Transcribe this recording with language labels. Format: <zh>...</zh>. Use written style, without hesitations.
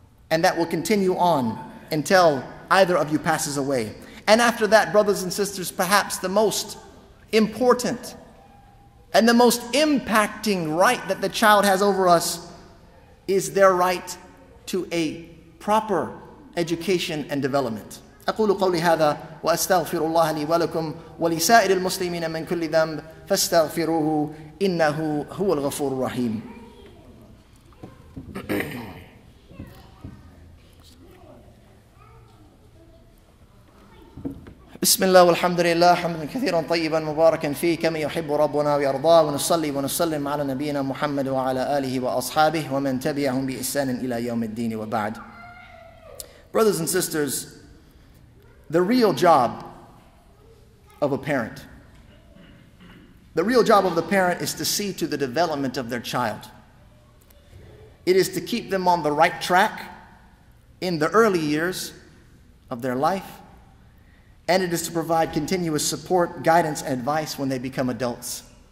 <en>And that will continue on until either of you passes away. And after that, brothers and sisters, perhaps the most important and the most impacting right that the child has over us is their right to a proper education and development.</en> <ar>أقول قولي هذا وأستغفر الله لي ولكم ولسائر المسلمين من كل ذنب فاستغفروه إنه هو الغفور الرحيم. بسم الله والحمد لله حمدا كثيرا طيبا مباركا فيه كما يحب ربنا ويرضاه ونصلي ونسلم على نبينا محمد وعلى آله وأصحابه ومن تبعهم بإحسان إلى يوم الدين وبعد.</ar> <en>Brothers and sisters, the real job of a parent, the real job of the parent is to see to the development of their child. It is to keep them on the right track in the early years of their life, and it is to provide continuous support, guidance, and advice when they become adults.</en>